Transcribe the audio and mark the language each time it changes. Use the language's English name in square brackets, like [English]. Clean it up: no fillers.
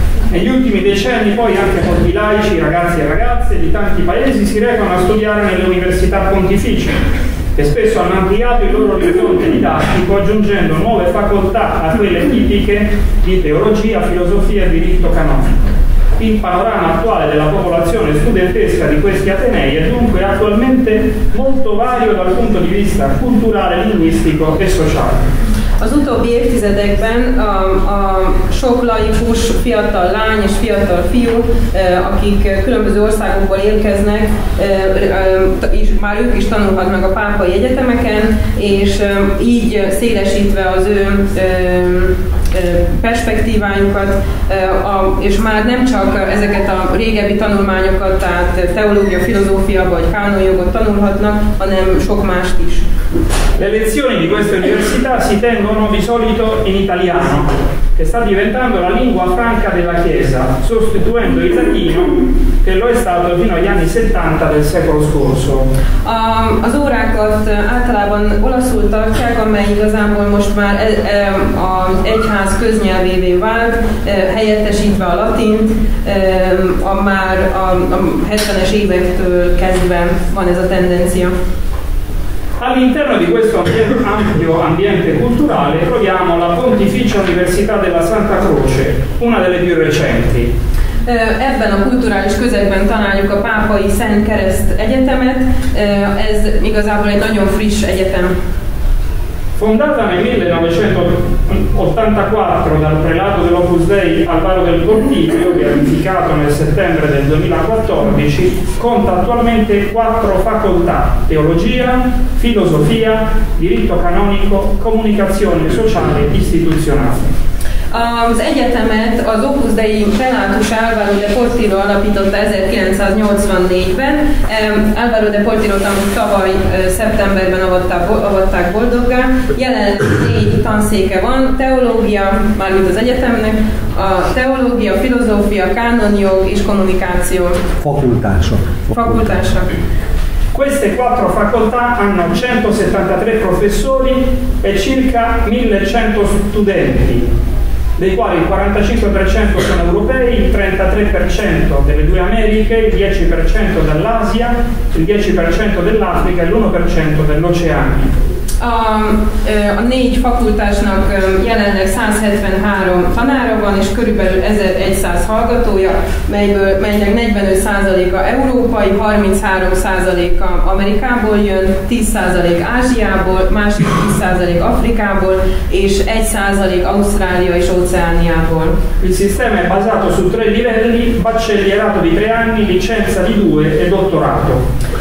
[Italian] Negli ultimi decenni poi anche molti laici, ragazzi e ragazze di tanti paesi si recano a studiare nelle università pontificie e spesso hanno ampliato il loro orizzonte didattico aggiungendo nuove facoltà a quelle tipiche di teologia, filosofia e diritto canonico. Il panorama attuale della popolazione studentesca di questi atenei è dunque attualmente molto vario dal punto di vista culturale, linguistico e sociale. [Hungarian] Az utóbbi évtizedekben a sok laikus, fiatal lány és fiatal fiú, akik különböző országokból érkeznek, és már ők is tanulhatnak a pápai egyetemeken, és így szélesítve az ő perspektívájukat, és már nem csak ezeket a régebbi tanulmányokat, tehát teológia, filozófia vagy kánonjogot tanulhatnak, hanem sok mást is. [Italian] Le lezioni di questa università si tengono di solito in italiano, che sta diventando la lingua franca della Chiesa, sostituendo il latino, che lo è stato fino agli anni 70 del secolo scorso. [Hungarian] Az órákat általában olaszul tartják, amely igazából most már az egyház köznyelvévé vált, helyettesítve a latint, már a 70-es évektől kezdve van ez a tendencia. [Italian] All'interno di questo ampio ambiente culturale troviamo la Pontificia Università della Santa Croce, una delle più recenti. [Hungarian] Ebben a kulturális közegben találjuk a Pápai Szent Kereszt Egyetemet, ez igazából egy nagyon friss egyetem. [Italian] Fondata nel 1984 dal prelato dell'Opus Dei Alvaro del Pontificio, pianificato nel settembre del 2014, conta attualmente quattro facoltà: teologia, filosofia, diritto canonico, comunicazione sociale e istituzionale. [Hungarian] Az egyetemet az Opus Dei prelátus Álvaro de Portillo alapította 1984-ben. Álvaro de Portillo tanult tavaly szeptemberben avatták boldoggá. Jelenleg négy tanszéke van, teológia, mármint az egyetemnek, a teológia, filozófia, kánonjog és kommunikáció. Fakultások. [Italian] Queste quattro facoltà hanno 173 professori e circa 1100 studenti, dei quali il 45% sono europei, il 33% delle due Americhe, il 10% dell'Asia, il 10% dell'Africa e l'1% dell'Oceania. [Hungarian] A négy fakultásnak jelenleg 173 tanára van, és körülbelül 1100 hallgatója, melynek 45%-a európai, 33%-a Amerikából jön, 10% Ázsiából, másik 10% Afrikából, és 1% Ausztrália és Oceániából. [Italian] Il sistema è basato su tre livelli, baccellierato di 3 anni, licenza di 2 e dottorato.